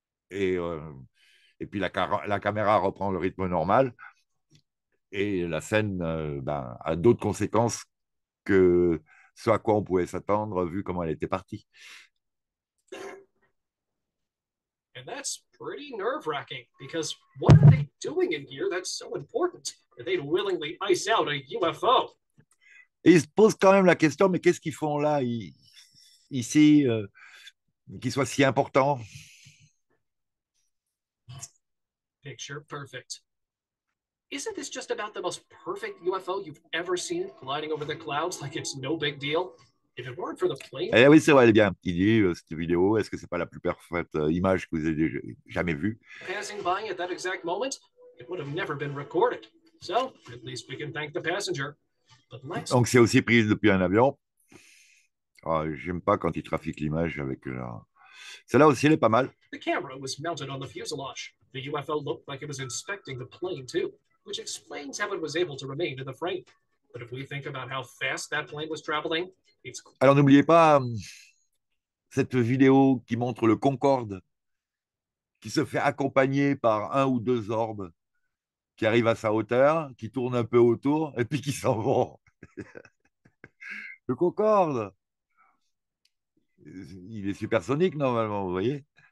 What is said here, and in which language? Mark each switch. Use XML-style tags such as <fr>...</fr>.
<fr>Et puis la caméra reprend le rythme normal et la scène a d'autres conséquences que ce à quoi on pouvait s'attendre vu comment elle était partie.</fr> <en>And that's pretty nerve-wracking, because what are they doing in here that's so important that they'd willingly ice out a UFO?</en> <fr>Et ils se posent quand même la question, mais qu'est-ce qu'ils font là, ici, qu'ils soient si importants?</fr> <en>Picture perfect. Isn't this just about the most perfect UFO you've ever seen gliding over the clouds like it's no big deal?</en> <fr>Eh oui, c'est vrai, elle est bien. Il dit, cette vidéo, est-ce que ce n'est pas la plus parfaite image que vous avez jamais vue?</fr> <en>Passing by at that exact moment, it would have never been recorded. So, at least we can thank the passenger. But let's...</en> <fr>Donc, c'est aussi prise depuis un avion. Oh, j'aime pas quand ils trafiquent l'image avec Celle-là aussi, elle est pas mal.</fr> <en>The camera was mounted on the fuselage. The UFO looked like it was inspecting the plane too, which explains how it was able to remain in the frame. But if we think about how fast that plane was traveling, it's...</en> <fr>Alors n'oubliez pas cette vidéo qui montre le Concorde qui se fait accompagner par un ou deux orbes qui arrivent à sa hauteur, qui tournent un peu autour et puis qui s'en vont. Le Concorde, il est supersonique normalement, vous voyez.</fr>